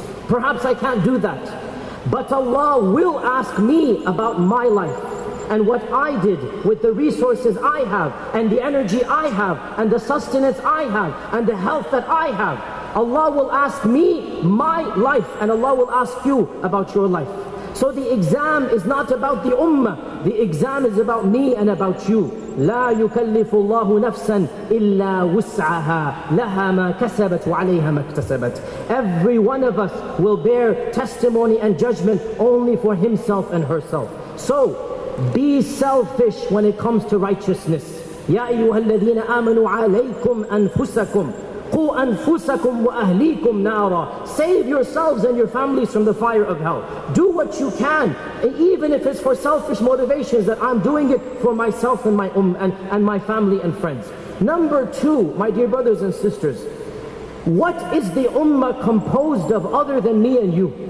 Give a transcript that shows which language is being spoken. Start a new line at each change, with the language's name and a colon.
English: Perhaps I can't do that. But Allah will ask me about my life and what I did with the resources I have and the energy I have and the sustenance I have and the health that I have. Allah will ask me my life, and Allah will ask you about your life. So the exam is not about the Ummah. The exam is about me and about you.
Arabic: لا يكلف الله نفسا إلا وسعها لها ما كسبت وعليها ما اكتسبت.
English: Every one of us will bear testimony and judgment only for himself and herself. So be selfish when it comes to righteousness.
Arabic: يا أيها الذين آمنوا عليكم أنفسكم قو أنفسكم وأهليكم نارا.
English: Save yourselves and your families from the fire of hell. Do what you can, even if it's for selfish motivations, that I'm doing it for myself and my and my family and friends. Number two, my dear brothers and sisters, what is the Ummah composed of other than me and you?